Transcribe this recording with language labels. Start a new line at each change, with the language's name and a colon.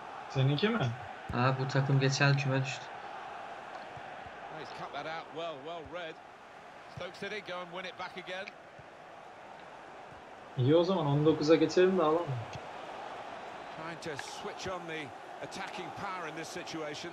Turkish: Seninki mi? Ha, bu takım geçen küme düştü.
English: He's cut that out well, well read. Stoke City go and win it back again.
Turkish: İyi o zaman 19'a geçelim de alalım.
English: Trying to switch on the attacking power in this situation.